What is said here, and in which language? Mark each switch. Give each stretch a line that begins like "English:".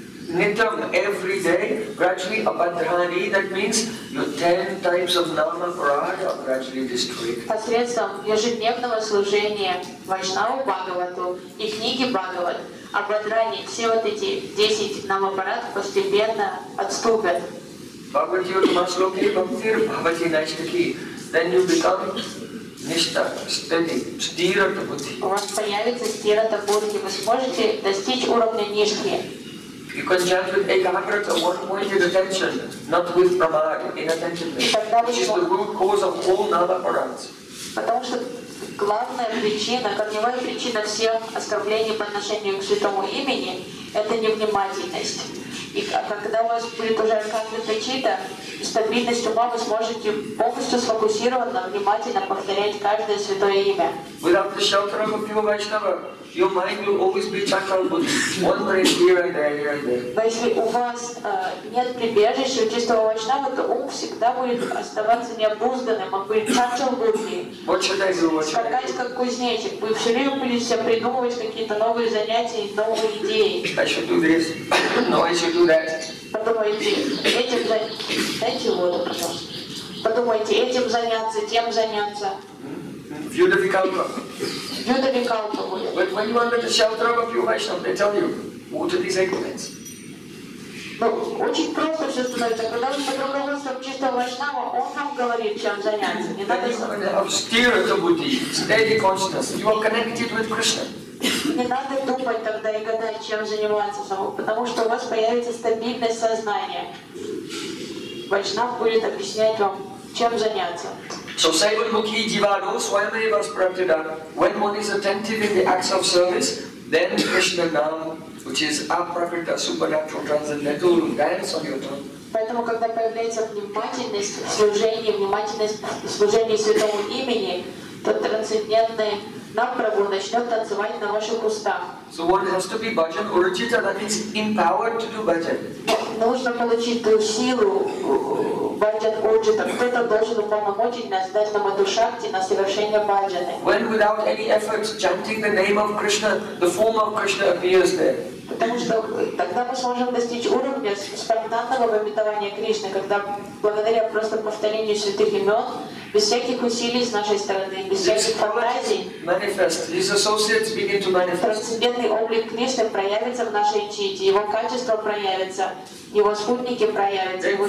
English: Nitam every day, gradually abadhani, that means the 10 types of nama parad are gradually destroyed.
Russian: Посредством ежедневного служения Вайшнава Бхагавату и книги Бхагават, абадхани, все вот эти 10 нама парад постепенно отступят.
Sanskrit: Бхагавати Утмаслоки Бхактир Бхавати Найштаки.
English: Then you become Nishta, steady, Stirata Buddhi.
Russian: У вас появится Stirata Buddhi, вы сможете достичь уровня Нишки.
English: You can chant with Ekagrata, one-pointed attention, not with Pramad, inattentiveness, which is the root cause of all nama parads.
Russian: Потому что главная причина, корневая причина всех оскорблений по отношению к святому имени, это невнимательность. И когда у вас будет уже Ekagrata Chitta, стабильность ума, вы сможете полностью сфокусированно, внимательно повторять каждое святое имя.
English: Without the shelter of a pure Vaishnava, your mind will always be chakrabuddhi. One place here and there, here and there.
Russian: Если у вас нет прибежища чистого Вайшнава, то ум всегда будет оставаться необузданным, он будет чакрабуддхи.
English: What should I do?
Russian: Скакать как кузнечик. Вы все время будете себе придумывать какие-то новые занятия и новые идеи.
English: I should do this. No, I should do that.
Russian: Подумайте, этим заняться, тем заняться.
Sanskrit: Вьюдавикалпа.
Russian: Вьюдавикалпа будет.
English: But when you under the shelter of a few Vaishnava, they tell you, what are these equipments?
Russian: Ну, очень просто все становится. Когда вы под руководством чистого Вайшнава, он нам говорит, чем заняться. Не надо заниматься.
English: Steady consciousness. You are connected with Krishna.
Russian: Не надо думать тогда и гадать, чем заниматься самому, потому что у вас появится стабильность сознания. Вайшнав будет объяснять вам, чем заняться.
English: So Sevan Mukhi Jivado Swayameva Spratida, when one is attentive in the acts of service, then Krishna Nam, which is Aprakrita Supernatural Transcendental, will dance on your tongue.
Russian: Поэтому, когда появляется внимательность в служении Святому Имени, то трансцендентный Нам Прабху начнет танцевать на ваших устах.
English: So one has to be bhajan urjita, that means empowered to do bhajan.
Russian: Нужно получить ту силу bhajan urjita. Кто-то должен уполномочить нас, дать нам эту шакти на совершение bhajana.
English: When without any effort chanting the name of Krishna, the form of Krishna appears there.
Russian: Потому что тогда мы сможем достичь уровня спонтанного выметования Кришны, когда благодаря просто повторению святых имен, без всяких усилий с нашей стороны, без всяких фантазий,
English: manifest. These associates begin to manifest.
Russian: Трансцендентный облик Кришны проявится в нашей чите, его качество проявится, его спутники проявятся.